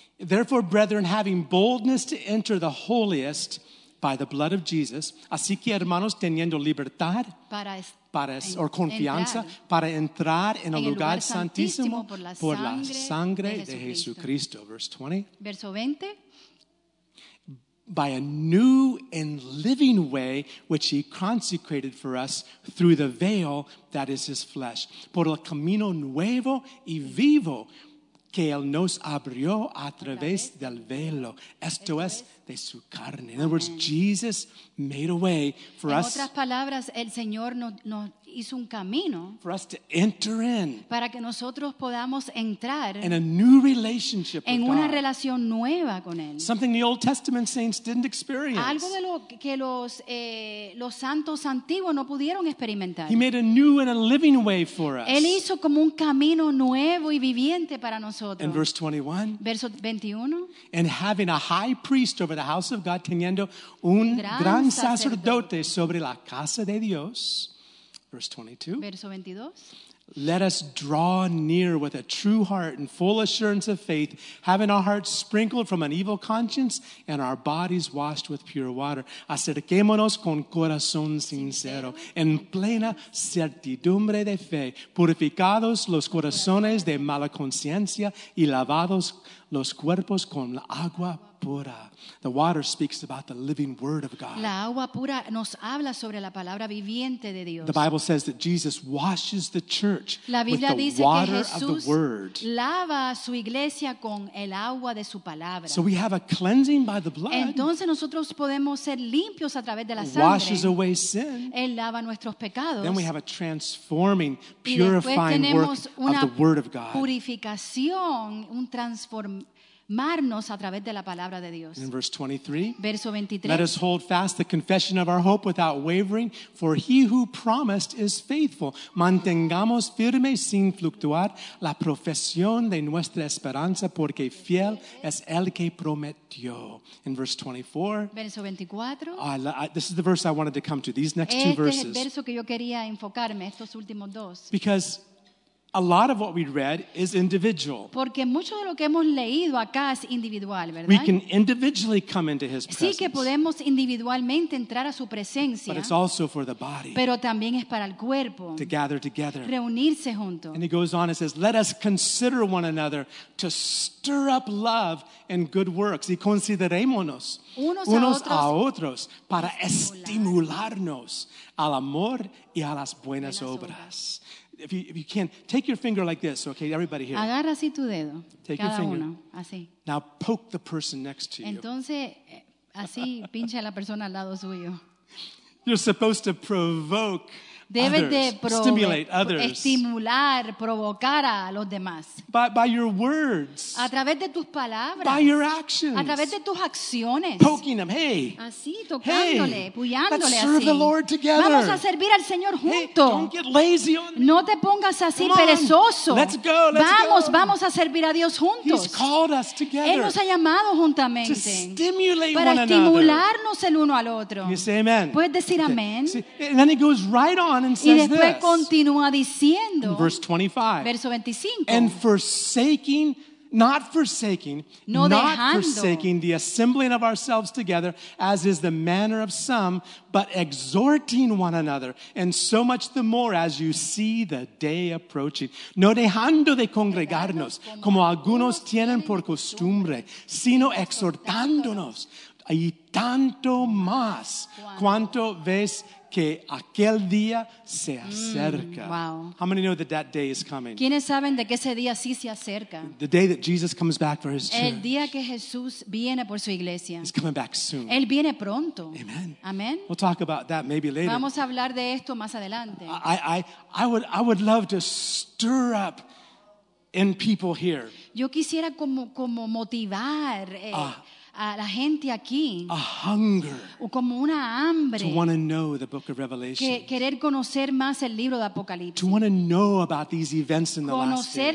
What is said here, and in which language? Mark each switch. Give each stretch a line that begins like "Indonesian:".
English: Therefore, brethren, having boldness to enter the holiest by the blood of Jesus,
Spanish: así que hermanos, teniendo libertad para entrar en el lugar santísimo por la sangre de Jesucristo.
English: Verse 20.
Spanish: Verso 20.
English: By a new and living way which he consecrated for us through the veil that is his flesh.
Spanish: Por el camino nuevo y vivo que él nos abrió a través del velo. Esto es de su carne.
English: In other words, Jesus made a way for us.
Spanish: En otras palabras, el Señor nos hizo un camino.
English: For us to enter in.
Spanish: Para que nosotros podamos entrar.
English: In a new relationship with God.
Spanish: En una relación nueva con él.
English: Something the Old Testament saints didn't experience.
Spanish: Algo de lo que los santos antiguos no pudieron experimentar.
English: He made a new and a living way for us.
Spanish: Él hizo como un camino nuevo y viviente para nosotros.
English: In verse 21.
Spanish: Verso 21.
English: And having a high priest over the house of God,
Spanish: teniendo un gran sacerdote sobre la casa de Dios.
English: Verse 22.
Spanish: Verso 22.
English: Let us draw near with a true heart and full assurance of faith, having our hearts sprinkled from an evil conscience and our bodies washed with pure water.
Spanish: Acerquémonos con corazón sincero, en plena certidumbre de fe, purificados los corazones de mala conciencia y lavados los cuerpos con agua pura.
English: The water speaks about the living word of God.
Spanish: La agua pura nos habla sobre la palabra viviente de Dios.
English: The Bible says that Jesus washes the church
Spanish: la Biblia
English: with the water
Spanish: que Jesús
English: of the word.
Spanish: Lava su iglesia con el agua de su palabra.
English: So we have a cleansing by the blood.
Spanish: Entonces nosotros podemos ser limpios a través de la sangre.
English: Washes away sin.
Spanish: Él lava nuestros pecados.
English: Then we have a transforming, purifying work of the word of God.
Spanish: Purificación, un transformarnos a través de la palabra de Dios.
English: In verse 23,
Spanish: verso 23,
English: let us hold fast the confession of our hope without wavering, for he who promised is faithful.
Spanish: Mantengamos firme sin fluctuar la profesión de nuestra esperanza, porque fiel es el que prometió.
English: In verse 24,
Spanish: verso 24,
English: this is the verse I wanted to come to, these next two verses.
Spanish: Este es el verso que yo quería enfocarme, estos últimos dos.
English: Because a lot of what we read is individual.
Spanish: Porque mucho de lo que hemos leído acá es individual, ¿verdad?
English: We can individually come into his presence.
Spanish: Sí que podemos individualmente entrar a su presencia.
English: But it's also for the body.
Spanish: Pero también es para el cuerpo.
English: To gather together.
Spanish: Reunirse junto.
English: And he goes on and says, let us consider one another to stir up love and good works.
Spanish: Y considerémonos unos a otros para estimularnos al amor y a las buenas obras.
English: If you can, take your finger like this, okay, everybody here.
Spanish: Agarra así tu dedo.
English: Take your finger.
Spanish: Cada uno, así.
English: Now poke the person next to you.
Spanish: Entonces, así pincha a la persona al lado suyo.
English: You're supposed to provoke
Spanish: debes
English: others,
Spanish: de
English: stimulate others.
Spanish: Estimular, provocar a los demás.
English: By your words.
Spanish: A través de tus palabras.
English: By your actions.
Spanish: A través de tus acciones.
English: Poking them, hey.
Spanish: Así, tocándole, puyándole así.
English: Let's serve the Lord together.
Spanish: Vamos a servir al Señor juntos.
English: Hey, don't get lazy on me.
Spanish: No te pongas así perezoso.
English: Let's go, let's
Spanish: vamos,
English: go.
Spanish: Vamos a servir a Dios juntos.
English: He's called us together.
Spanish: Él nos ha llamado juntamente.
English: To stimulate
Spanish: para
English: one
Spanish: estimularnos
English: another.
Spanish: El uno al otro.
English: You say amen.
Spanish: Puedes decir okay. Amén.
English: See, and then he goes right on. And says
Spanish: y después continúa diciendo,
English: in verse 25,
Spanish: verso 25,
English: and not forsaking the assembling of ourselves together, as is the manner of some, but exhorting one another, and so much the more as you see the day approaching.
Spanish: No dejando de congregarnos, como algunos tienen por costumbre, sino exhortándonos, y tanto más cuanto ves que aquel día se acerca.
English: Wow. How many know that day is coming?
Spanish: ¿Quiénes saben de que ese día sí se acerca?
English: The day that Jesus comes back for his church.
Spanish: El día que Jesús viene por su iglesia.
English: He's coming back soon.
Spanish: Él viene pronto.
English: Amen.
Spanish: Amen.
English: We'll talk about that maybe later.
Spanish: Vamos a hablar de esto más adelante.
English: I would love to stir up in people here.
Spanish: Yo quisiera como motivar a la gente aquí,
English: a hunger,
Spanish: como una hambre,
English: to want to know the book of Revelation,
Spanish: que querer conocer más el libro de Apocalipsis,
English: to want to know about these events in the last days,